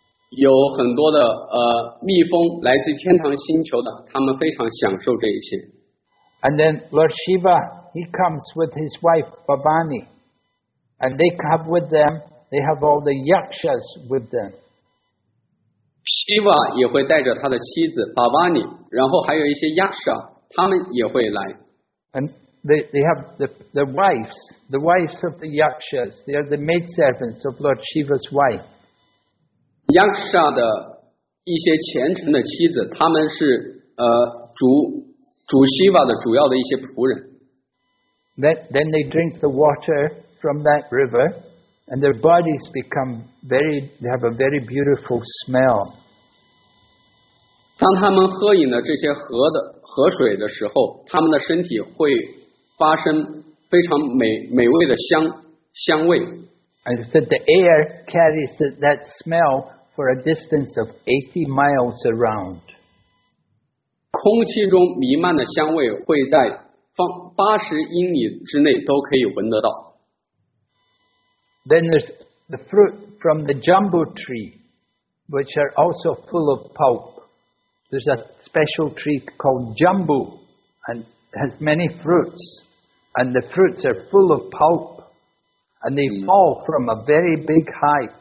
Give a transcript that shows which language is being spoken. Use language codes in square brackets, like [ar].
[zh] 有很多的蜜蜂来自天堂星球的，他们非常享受这一些。 [en] And then Lord Shiva, he comes with his wife Bhavani, and they come with them. They have all the yakshas with them. [zh] Shiva 也会带着他的妻子 Bhavani, 然后还有一些 yaksha, 他们也会来。 [en] And they have the wives of the yakshas. They are the maid servants of Lord Shiva's wife. [zh] Yaksha 的一些虔诚的妻子，他们是主 Shiva 的主要的一些仆人。 [en] Then they drink the water from that river, and their bodies become very, they have a very beautiful smell. [zh] 当他们喝饮了这些河水的时候，他们的身体会发生非常美味的香味。 [en] And it said the air carries that smell for a distance of 80 miles around. [zh] 空气中弥漫的香味会在80英里之内都可以闻得到。 [en] Then there's the fruit from the jambu tree, which are also full of pulp. There's a special tree called jambu, and has many fruits, and the fruits are full of pulp, and they fall from a very big height.